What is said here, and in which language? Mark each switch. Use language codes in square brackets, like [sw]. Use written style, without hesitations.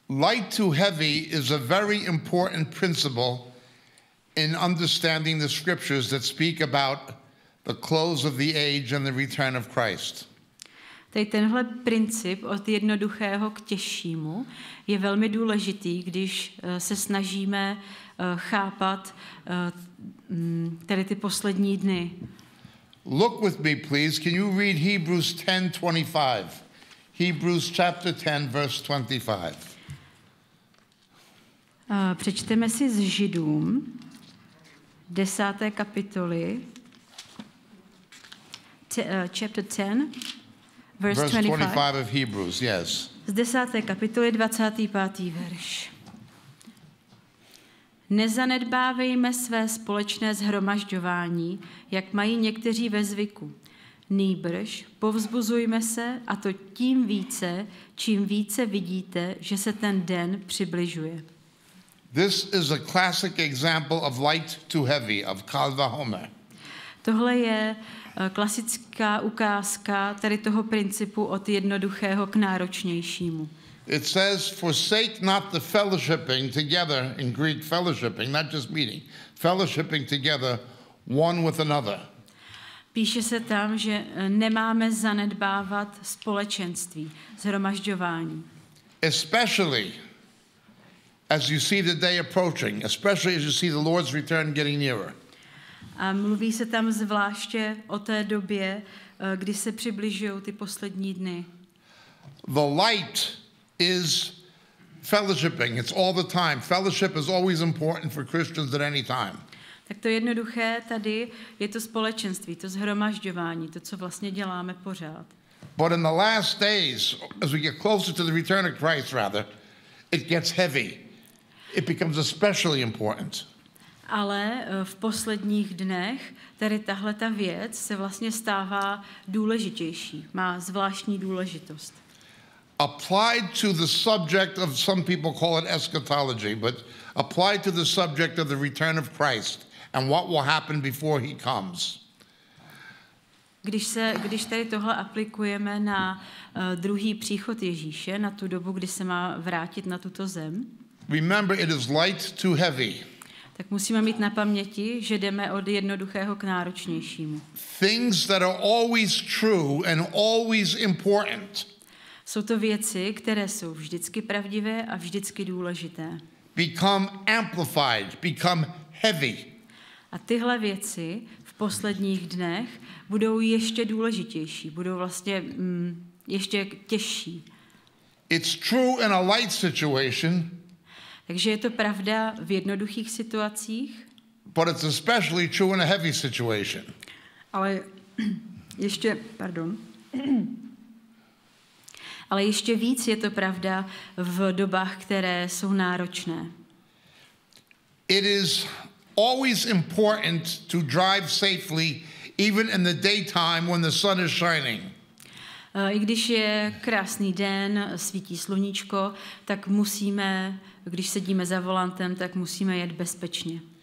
[en] Light to heavy is a very important principle in understanding the scriptures that speak about the close of the age and the return of Christ. [cs] Tady tenhle princip od jednoduchého k těžšímu je velmi důležitý, když se snažíme chápat tady ty poslední dny. [en] Look with me, please. Can you read Hebrews 10:25? Hebrews chapter 10, verse 25. [cs] Přečteme si z Židům 10. kapitoly, [en] chapter 10, verse 25. Verse 25 of Hebrews, yes. [cs] Z 10. kapitoly, 25. verš. Nezanedbávejme své společné shromažďování, jak mají někteří ve zvyku. Nýbrž, povzbuzujme se, a to tím více, čím více vidíte, že se ten den přibližuje. [en] This is a classic example of light too heavy, of Kal Vahomer. [cs] Tohle je klasická ukázka tady toho principu od jednoduchého k náročnějšímu. [en] It says, forsake not the fellowshipping together, in Greek fellowshipping, not just meeting, fellowshipping together, one with another. [cs] Píše se tam, že nemáme zanedbávat společenství, zhromažďování. [en] Especially as you see the day approaching, especially as you see the Lord's return getting nearer. [cs] A mluví se tam zvláště o té době, kdy se přibližují ty poslední dny. [en] The light is fellowshipping. It's all the time. Fellowship is always important for Christians at any time. [cs] Tak to jednoduché tady je to společenství, to zhromažďování, to, co vlastně děláme pořád. [en] But in the last days, as we get closer to the return of Christ, rather, it gets heavy. It becomes especially important. [cs] Ale v posledních dnech tady tahle ta věc se vlastně stává důležitější, má zvláštní důležitost. [en] Applied to the subject of, some people call it eschatology, but applied to the subject of the return of Christ and what will happen before he comes. [cs] Když tady tohle aplikujeme na druhý příchod Ježíše, na tu dobu, kdy se má vrátit na tuto zem. [en] Remember, it is light to heavy. [cs] Tak musíme mít na paměti, že jdeme od jednoduchého k náročnějšímu. [en] Things that are always true and always important. [cs] Jsou to věci, které jsou vždycky pravdivé a vždycky důležité. [en] Become amplified, become heavy. [cs] A tyhle věci v posledních dnech budou ještě důležitější, budou vlastně ještě těžší. [en] It's true in a light situation. [cs] Takže je to pravda v jednoduchých situacích. [en] But it's especially true in a heavy situation. [cs] Ale ještě, pardon. Ale ještě víc je to pravda v dobách, které jsou náročné. [en] It is always important to drive safely even in the daytime when the sun is shining. [cs] I když je krásný den, svítí sluníčko, tak musíme, když sedíme za volantem, tak musíme jet bezpečně.